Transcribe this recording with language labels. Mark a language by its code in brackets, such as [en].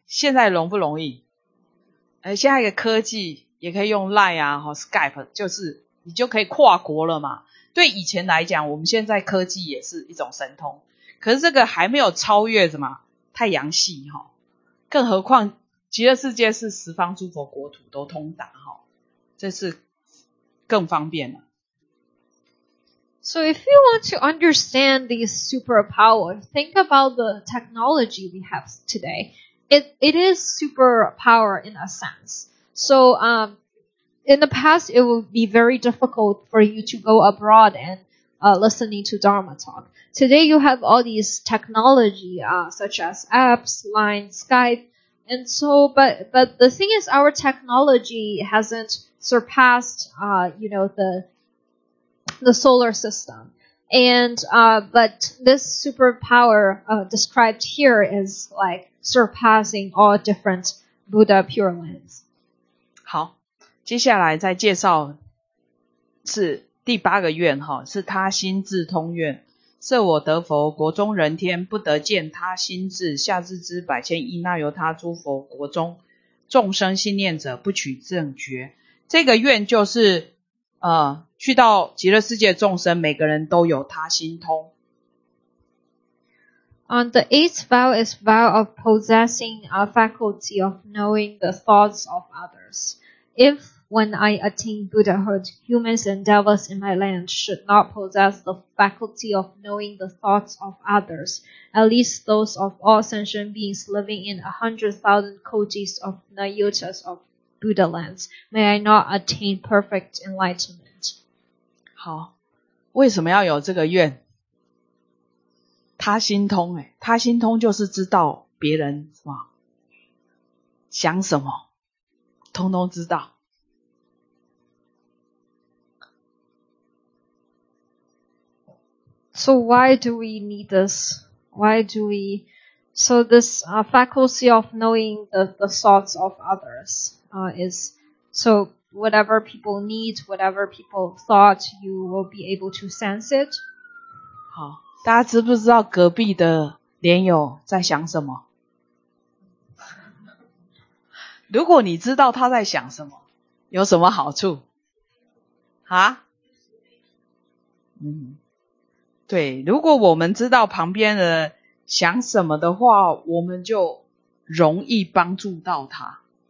[zh] 现在容不容易？现在的科技也可以用 Line 啊，或 Skype， 就是你就可以跨国了嘛。对以前来讲，我们现在科技也是一种神通，可是这个还没有超越什么太阳系、哦、更何况极乐世界是十方诸佛国土都通达、哦、这是更方便了。 [en] So if you want to understand these superpowers, think about the technology we have today. It is superpower in a sense. So In the past, it would be very difficult for you to go abroad and、listening to Dharma talk. Today, you have all these technology,、such as apps, Line, Skype, and so, but the thing is, our technology hasn't surpassed,、you know, the solar system. And,、but this superpower,、described here is like surpassing all different Buddha Pure Lands. [zh] 好。接下来再介绍是第八个愿，是他心智通愿，设我得佛国中人天不得见他心智下智之百千亿那由他诸佛国中众生心念者不取正觉。这个愿就是去到极乐世界众生每个人都有他心通。 [en] The eighth vow is vow of possessing a faculty of knowing the thoughts of others. If, when I attain Buddhahood, humans and devils in my land should not possess the faculty of knowing the thoughts of others, at least those of all sentient beings living in 100,000 kojis of Nayutas of Buddha lands, may I not attain perfect enlightenment. [zh] 好，为什么要有这个愿？他心通，欸，他心通就是知道别人什么，想什么。通通知道。 [en] So why do we need this? Why do we? So this、faculty of knowing the thoughts of others、is so whatever people need, whatever people thought, you will be able to sense it. [zh] 好，大家知不知道隔壁的莲友在想什么？如果你知道他在想什么，有什么好处？啊？嗯，对，如果我们知道旁边的想什么的话，我们就容易帮助到他。